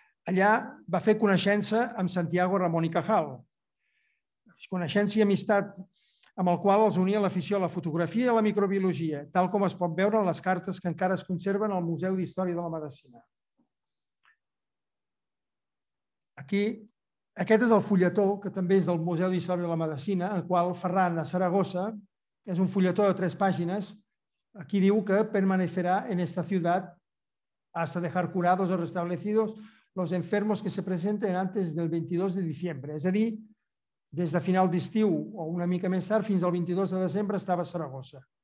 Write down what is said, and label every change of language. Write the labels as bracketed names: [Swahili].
[Catalan] Allà va fer coneixença amb Santiago Ramón y Cajal, coneixença i amistat amb el qual els unia l'afició a la fotografia i a la microbiologia, tal com es pot veure en les cartes que encara es conserven al Museu d'Història de la Medicina. Aquí, aquest és el fulletó, que també és del Museu d'Història de la Medicina, en el qual Ferran, a Saragossa, és un fulletó de 3 pàgines, Aquí diu que [Spanish] permanecerá en esta ciudad hasta dejar curados o restablecidos los enfermos que se presenten antes del 22 de diciembre. [Catalan] És a dir, des de final d'estiu o una mica més tard, fins al 22 de desembre estava a Saragossa.